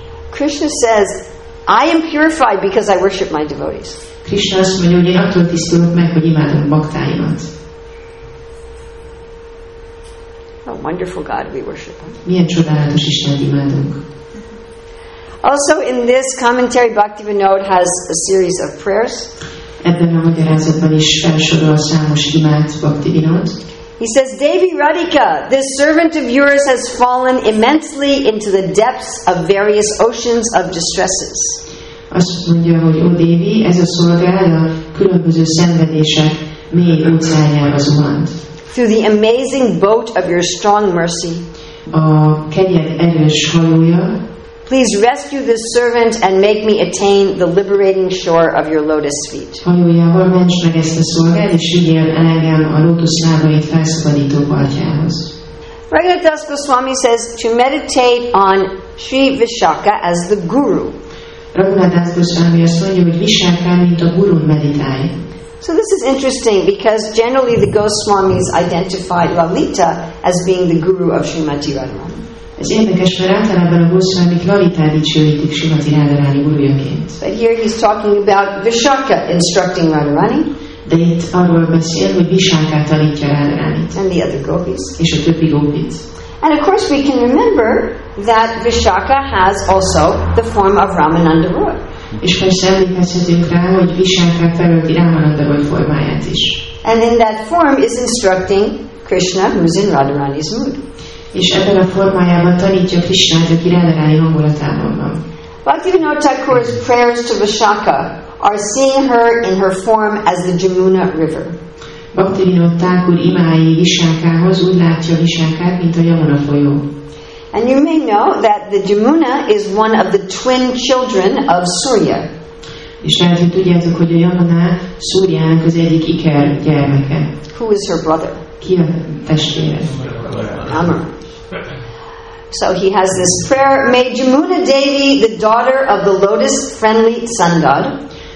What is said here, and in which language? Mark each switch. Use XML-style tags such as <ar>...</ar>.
<en>Krishna says, I am purified because I worship my devotees.</en> <hu>Krishna azt mondja, hogy én attól tisztulok meg, hogy imádom baktáimat.</hu> <en>A wonderful God we worship.</en> <hu>Milyen csodálatos Istent imádunk.</hu> <en>Also in this commentary, Bhaktivinoda has a series of prayers.</en> <hu>Ebben a magyarázatban is felsorol számos imád Bhaktivinoda.</hu> <en>He says, Devi Radhika, this servant of yours has fallen immensely into the depths of various oceans of distresses.</en> <hu>Azt mondja, hogy ó Devi, ez a szolgálat különböző szenvedések mély óceánjára zuhant.</hu> <en>Through the amazing boat of your strong mercy,</en> <hu>a kegyed erős hajója,</hu> <en>please rescue this servant and make me attain the liberating shore of your lotus feet.</en> <hu>Hajójával ments meg ezt a szolgát, és vigyél el engem a lótuszlábait felszabadító partjához.</hu> <en>Raghunathdas Goswami says to meditate on Sri Vishakha as the guru.</en> <hu>Raghunathdas Goswami azt mondja, hogy Vishakha, mint a guru meditálj.</hu> <en>So this is interesting because generally the Goswamis identified Lalita as being the guru of Srimati Radharani.</en> <hu>Ez érdekes, mert általában a Goswamik Lalitát dicsőítik Srimati Radharani gurujaként.</hu> <en>But here he's talking about Vishakha instructing Radharani.</en> <hu>De itt arról beszél, hogy Vishakha tanítja Radharanit.</hu> <en>And the other gopis.</en> <hu>És a többi gopit.</hu> <en>And of course we can remember that Vishakha has also the form of Ramananda Roy.</en> <hu>És persze emlékezhetünk rá, hogy Vishakha felölti Ramananda Roy formáját is.</hu> <en>And in that form is instructing Krishna, who's in Radharani's mood.</en> <hu>És ebben a formájában tanítja Krisnát, aki Radharani hangulatában van.</hu> <en>Bhaktivinoda Thakur's prayers to Vishakha are seeing her in her form as the Jamuna River.</en> <hu>Bhaktivinoda Thakur imái Vishakhához úgy látja Vishakhát, mint a Jamuna folyó.</hu> <en>And you may know that the Jamuna is one of the twin children of Surya.</en> <hu>És lehet, hogy tudjátok, hogy a Jamuna Suryának az egyik iker gyermeke.</hu> <en>Who is her brother?</en> <hu>Ki a testvére? Amar.</hu> <en>So he has this prayer, may Jamuna Devi, the daughter of the lotus friendly sun god.</en>